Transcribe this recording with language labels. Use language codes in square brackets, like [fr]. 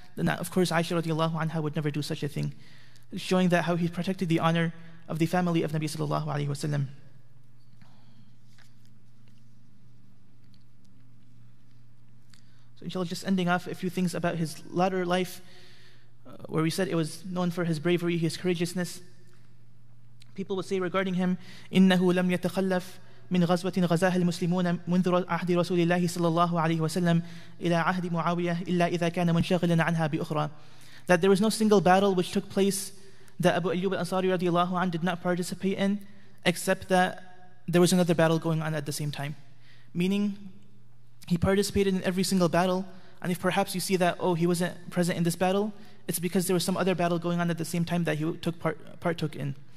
[en] Now, of course, Aisha radiallahu anha would never do such a thing, showing that how he protected the honor of the family of Nabi sallallahu alayhi wa sallam. So inshallah, just ending off a few things about his latter life, where we said it was known for his bravery, his courageousness. People would say regarding him, [ar] إِنَّهُ لَمْ يَتَخَلَّفْ مِنْ غَزْوَةٍ غَزَاهَ الْمُسْلِمُونَ مُنْذُ عَهْدِ رَسُولِ اللَّهِ صَلَّى اللَّهُ عَلَيْهِ وَسَلَّمْ إِلَى عَهْدِ مُعَاوِيَةِ إِلَّا إِذَا كَانَ مُنْشَغِلًا عَنْهَا بِأُخْرَى. [en] That there was no single battle which took place that Abu Ayyub al-Ansari radiallahu anh did not participate in, except that there was another battle going on at the same time. Meaning, he participated in every single battle, and if perhaps you see that, oh, he wasn't present in this battle, it's because there was some other battle going on at the same time that he partook in.